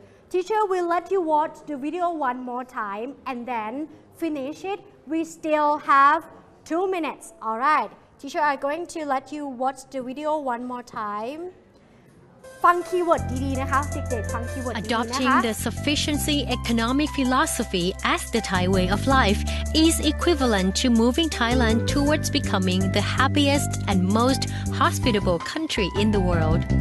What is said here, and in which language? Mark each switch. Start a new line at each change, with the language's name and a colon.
English: Teacher will let you watch the video one more time and then finish it. We still have 2 minutes. All right, teacher are going to let you watch the video one more time.
Thai: ฟังคีย์เวิร์ดดีๆนะคะเด็กๆฟังคีย์เวิร์ดดีๆนะคะ
English: Adopting the sufficiency economic philosophy as the Thai way of life is equivalent to moving Thailand towards becoming the happiest and most hospitable country in the world.